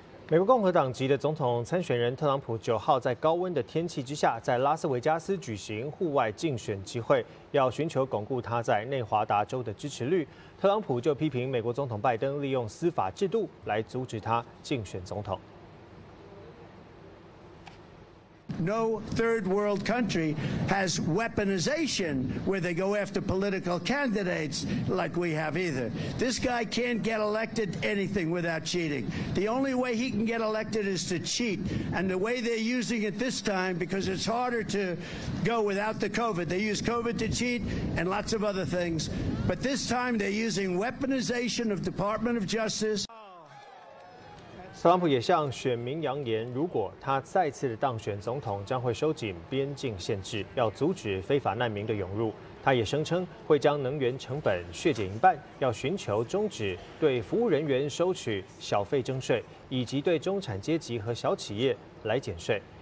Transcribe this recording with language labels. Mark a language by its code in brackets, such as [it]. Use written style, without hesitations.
[zh] 美国共和党籍的总统参选人特朗普九号在高温的天气之下，在拉斯维加斯举行户外竞选集会，要寻求巩固他在内华达州的支持率。特朗普就批评美国总统拜登利用司法制度来阻止他竞选总统。 [en] No third world country has weaponization where they go after political candidates like we have either. This guy can't get elected anything without cheating. The only way he can get elected is to cheat. And the way they're using it this time, because it's harder to go without the COVID, they use COVID to cheat and lots of other things. But this time they're using weaponization of Department of Justice. [zh] 特朗普也向选民扬言，如果他再次当选总统，将会收紧边境限制，要阻止非法难民的涌入。他也声称会将能源成本削减一半，要寻求终止对服务人员收取小费征税，以及对中产阶级和小企业来减税。